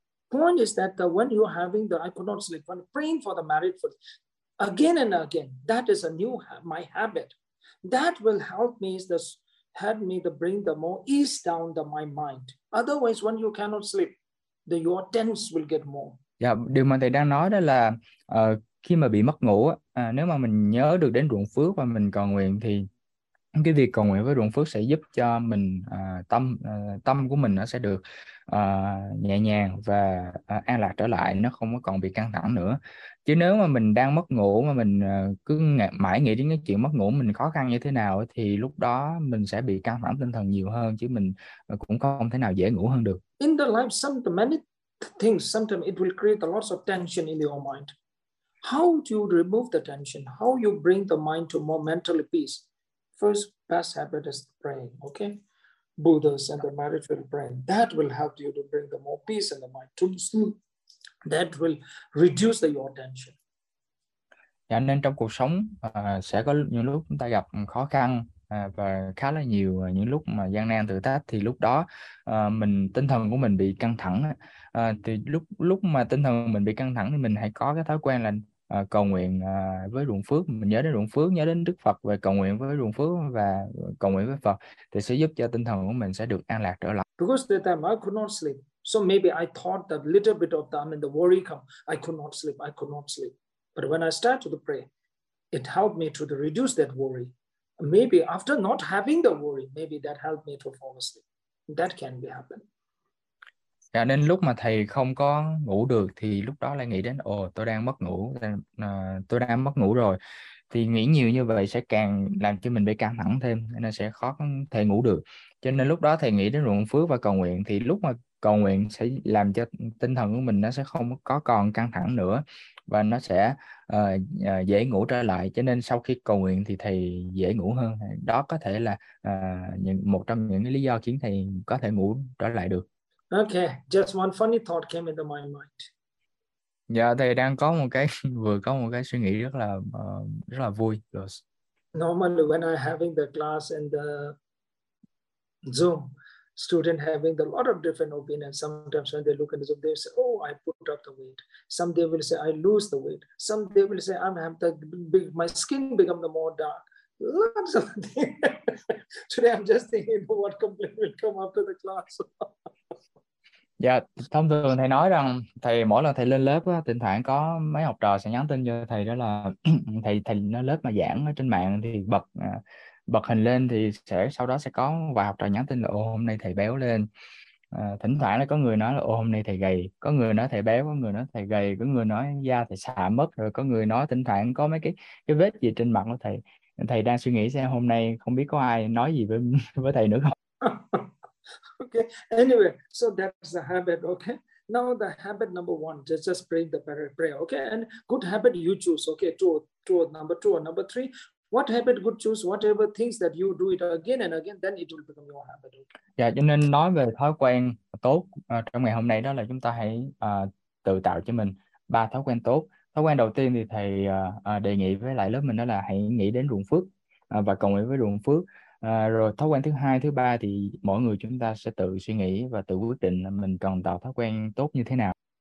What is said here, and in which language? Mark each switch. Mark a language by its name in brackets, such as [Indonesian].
[English] Point is that when you're having the, I could not sleep, when praying for the marriage for again and again, that is a new my habit. That will help me is this, help me to bring the more ease down the my mind. Otherwise, when you cannot sleep, the your tense will get more. [Vietnamese] Dạ, điều mà thầy đang nói đó là khi mà bị mất ngủ, nếu mà mình nhớ được đến ruộng phước và mình cầu nguyện thì cái việc cầu nguyện với ruộng phước sẽ giúp cho mình tâm tâm của mình nó sẽ được nhẹ nhàng và an lạc trở lại, nó không có còn bị căng thẳng nữa. Chứ nếu mà mình đang mất ngủ mà mình cứ mãi nghĩ đến cái chuyện mất ngủ mình khó khăn như thế nào thì lúc đó mình sẽ bị căng thẳng tinh thần nhiều hơn, chứ mình cũng không thể nào dễ ngủ hơn được. [English] In the life, many things, sometimes it will create a lot of tension in your mind. How do you remove the tension? How you bring the mind to more mental peace? First, best habit is praying, okay? Buddhas and the marriage will pray. That will help you to bring the more peace in the mind. That will reduce your tension. [Vietnamese] Dạ, nên trong cuộc sống sẽ có những lúc chúng ta gặp khó khăn và khá là nhiều những lúc mà gian nan thử thách, thì lúc đó mình tinh thần của mình bị căng thẳng. Thì lúc lúc mà tinh thần mình bị căng thẳng thì mình hãy có cái thói quen là cầu nguyện với ruộng phước, mình nhớ đến ruộng phước, nhớ đến Đức Phật và cầu nguyện với ruộng phước và cầu nguyện với Phật, thì sẽ giúp cho tinh thần của mình sẽ được an lạc trở lại. [English] Because that time I could not sleep, so maybe I thought that little bit of time and the worry come, I could not sleep. But when I start to pray, it helped me to reduce that worry. Maybe after not having the worry, maybe that helped me to fall asleep. That can be happen. [Vietnamese] Dạ, nên lúc mà thầy không có ngủ được thì lúc đó lại nghĩ đến ồ tôi đang mất ngủ, tôi đang mất ngủ rồi, thì nghĩ nhiều như vậy sẽ càng làm cho mình bị căng thẳng thêm nên sẽ khó có thể ngủ được. Cho nên lúc đó thầy nghĩ đến ruộng phước và cầu nguyện, thì lúc mà cầu nguyện sẽ làm cho tinh thần của mình nó sẽ không có còn căng thẳng nữa và nó sẽ dễ ngủ trở lại. Cho nên sau khi cầu nguyện thì thầy dễ ngủ hơn. Đó có thể là một trong những lý do khiến thầy có thể ngủ trở lại được. [English] Okay, just one funny thought came into my mind. [Vietnamese] Dạ, thầy đang có một cái vừa có một cái suy nghĩ rất là vui. [English] Yes. Normally when I having the class in the Zoom, student having a lot of different opinions. Sometimes when they look at the Zoom, they say, "Oh, I put up the weight." Some they will say, "I lose the weight." Some they will say, "I'm have the big, my skin become the more dark." Lots of things. Today I'm just thinking what complaint will come after the class. [Vietnamese] Dạ, thông thường thầy nói rằng thầy mỗi lần thầy lên lớp á, thỉnh thoảng có mấy học trò sẽ nhắn tin cho thầy đó là thầy lên lớp mà giảng ở trên mạng thì bật bật hình lên, thì sẽ sau đó sẽ có vài học trò nhắn tin là ô hôm nay thầy béo lên. Thỉnh thoảng là có người nói là ô hôm nay thầy gầy, có người nói thầy béo, có người nói thầy gầy, có người nói da thầy xạ mất, rồi có người nói thỉnh thoảng có mấy cái vết gì trên mặt của thầy. Thầy đang suy nghĩ xem hôm nay không biết có ai nói gì với thầy nữa không. [English] Okay, anyway, so that's the habit, okay? Now the habit number one, just praying the prayer, okay? And good habit you choose, okay? Two, number two or number three, what habit good choose, whatever things that you do it again and again, then it will become your habit, okay? [Vietnamese] Yeah, cho nên nói về thói quen tốt trong ngày hôm nay đó là chúng ta hãy tự tạo cho mình ba thói quen tốt. Thói quen đầu tiên thì thầy đề nghị với lại lớp mình đó là hãy nghĩ đến ruộng phước và cầu nguyện với ruộng phước. Rồi thói quen thứ hai, thứ ba thì mỗi người chúng ta sẽ tự suy nghĩ và tự quyết định là mình cần tạo thói quen tốt như thế nào.